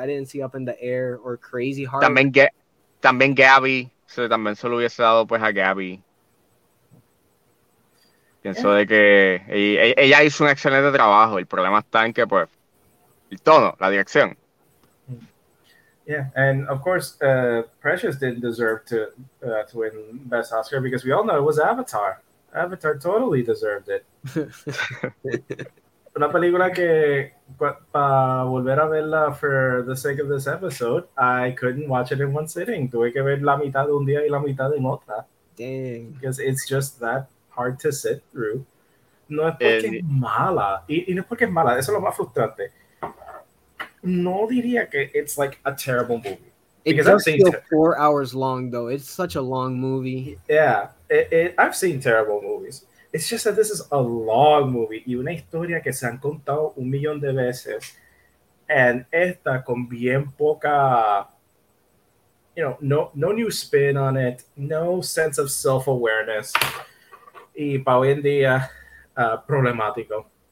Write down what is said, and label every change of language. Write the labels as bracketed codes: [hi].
[en] I didn't see Up in the Air or Crazy Heart. [es] También Gabby. So, también se lo hubiese dado pues a Gabby. Pienso de que ella hizo un excelente trabajo. El problema está en que, pues, el tono, la dirección. [en] Yeah, and of course, Precious didn't deserve to win Best Oscar because we all know it was Avatar. Avatar totally deserved it. [es] Una película que, para volver a verla [en] for the sake of this episode, I couldn't watch it in one sitting. [es] Tuve que ver la mitad de un día y la mitad en otra. [en] Dang. Because it's just that hard to sit through. [es] No es porque es mala. Y no es porque es mala. Eso es lo más frustrante. No diría que [en] it's like a terrible movie. It does feel 4 hours long, though. It's such a long movie. Yeah, I've seen terrible movies. It's just that this is a long movie. [es] Y una historia que se han contado un millón de veces. [en] And [es] esta con bien poca, [en] you know, no new spin on it. No sense of self-awareness. [es] Y para hoy en día, problemático.